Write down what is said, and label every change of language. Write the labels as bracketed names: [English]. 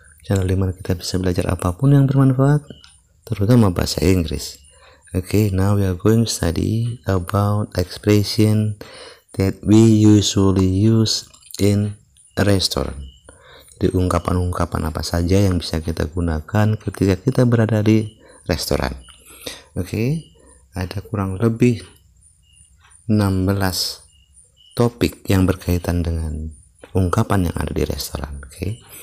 [Indonesian] Channel dimana kita bisa belajar apapun yang bermanfaat, terutama bahasa Inggris. [English] Okay, now we are going to study about expression that we usually use in restaurant. [Indonesian] Jadi ungkapan-ungkapan apa saja yang bisa kita gunakan ketika kita berada di restoran. Okay, ada kurang lebih 16 topik yang berkaitan dengan ungkapan yang ada di restoran. Oke.